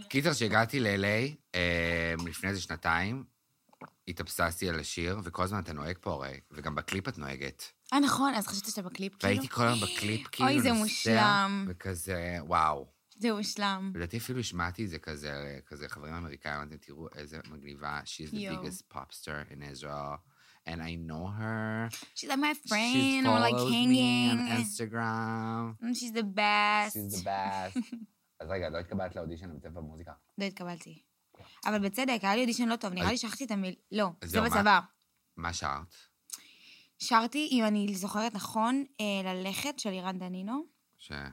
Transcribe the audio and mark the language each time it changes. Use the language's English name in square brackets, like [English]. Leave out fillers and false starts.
[Hebrew] קיצר, שהגעתי ל-LA לפני איזה שנתיים, התאפססתי על השיר, וכל הזמן אתה נוהג פה הרי, וגם בקליפ את נוהגת. אה, נכון, אז חשבתי שאתה בקליפ, כאילו. והייתי כל היום בקליפ, כאילו נוסע. אוי, זה מושלם. וכזה, וואו. זה מושלם. ולדעתי אפילו שמעתי את זה כזה, חברים אמריקאים, אתם תראו איזה מגניבה. [English] She's the biggest pop star in Israel. And I know her. She's like my friend. We're like hanging. She follows me on Instagram. She's the best. She's the best. [Hebrew] אז רגע, לא התקבלת לאודישן בצבא מוזיקה? לא התקבלתי. אבל בצדק, היה לי אודישן לא טוב. נראה לי שכחתי את המיל. לא, זה בצבא. מה שרת? שרתי, אם אני זוכרת נכון, ללכת של אירן דנינו. ש?